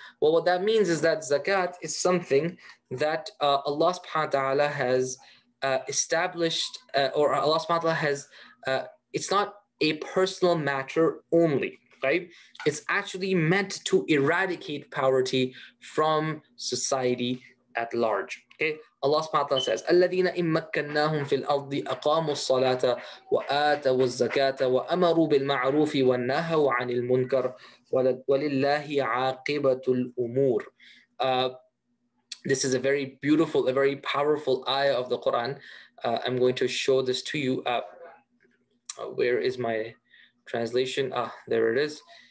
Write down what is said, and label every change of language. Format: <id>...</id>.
<en>Well, what that means is that zakat is something that Allah subhanahu wa ta'ala has established, or Allah subhanahu wa ta'ala has, it's not a personal matter only, right? It's actually meant to eradicate poverty from society at large. Okay, Allah subhanahu wa ta'ala says,</en> <ar>الَّذِينَ إِن مَكَّنَّاهُمْ فِي الْأَرْضِ أَقَامُوا الصَّلَاةَ وَآتَوُوا الزَّكَاةَ وَأَمَرُوا بِالْمَعْرُوفِ وَالنَّهَوْا عَنِ الْمُنْكَرِ وَلِلَّهِ عَاقِبَةُ الْأُمُورِ.</ar> <en>This is a very beautiful, a very powerful ayah of the Quran. I'm going to show this to you. Where is my translation? Ah, there it is.</en>